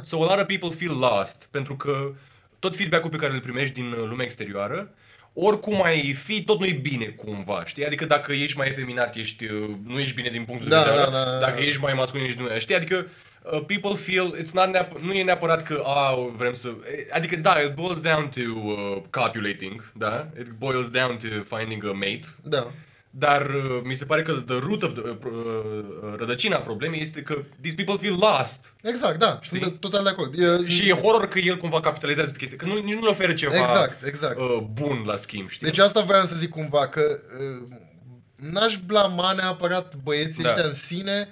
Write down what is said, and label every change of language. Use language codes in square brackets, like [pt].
[en] So a lot of people feel lost, [ro] pentru că tot feedback-ul pe care îl primești din lumea exterioară, oricum ai fi, tot nu e bine cumva, știi? Adică dacă ești mai efeminat, nu ești bine din punctul de vedere. Dacă ești mai masculin, ești nu ești. Știi? Adică [en] people feel, [ro] nu e neapărat că vrem să... Adică da, [en] it boils down to copulating, [ro] da? [en] It boils down to finding a mate. [ro] Da. Dar mi se pare că [en] the root of the, [ro] rădăcina problemei este că [en] these people feel lost. [ro] Exact, da, sunt total de acord. Și e horror că el cumva capitalizează pe chestia, că nici nu le oferă ceva exact. Bun la schimb, știi? Deci asta vreau să zic cumva, că n-aș blama neapărat băieții ăștia în sine,